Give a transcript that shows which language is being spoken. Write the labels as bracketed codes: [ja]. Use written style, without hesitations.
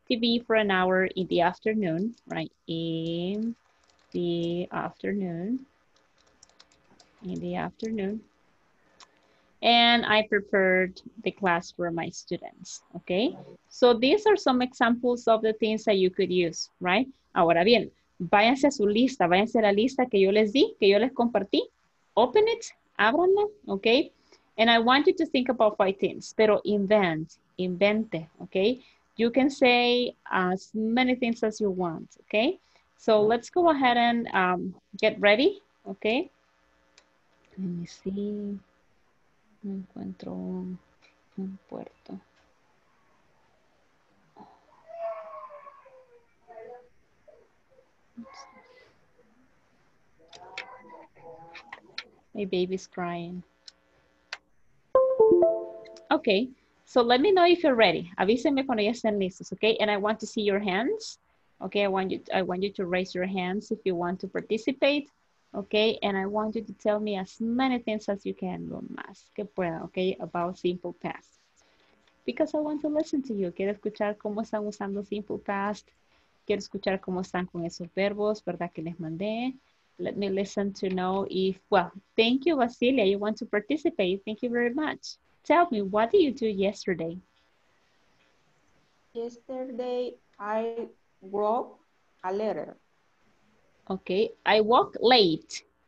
[en] TV for an hour in the afternoon, right? In the afternoon. In the afternoon. And I prepared the class for my students, okay? So these are some examples of the things that you could use, right? [es] Ahora bien, váyanse a su lista, váyanse a la lista que yo les di, que yo les compartí. [en] Open it, [es] ábranla, [en] okay? And I want you to think about five things, [es] pero invente, [en] okay? You can say as many things as you want, okay? So let's go ahead and get ready, okay? Let me see. [es] No encuentro un puerto. [en] My baby's crying. Okay, so let me know if you're ready. [es] Avísenme cuando ya estén listos, [en] okay? And I want to see your hands. Okay, I want you to raise your hands if you want to participate. Okay, and I want you to tell me as many things as you can, [es] lo más que pueda, [en] okay, about simple past. Because I want to listen to you. [es] Quiero escuchar cómo están usando [en] simple past. [es] Quiero escuchar cómo están con esos verbos, ¿verdad? Que les mandé. [en] Let me listen to know if, well, thank you, Vasilia. You want to participate. Thank you very much. Tell me, what did you do yesterday? Yesterday, I wrote a letter. Okay, I woke late.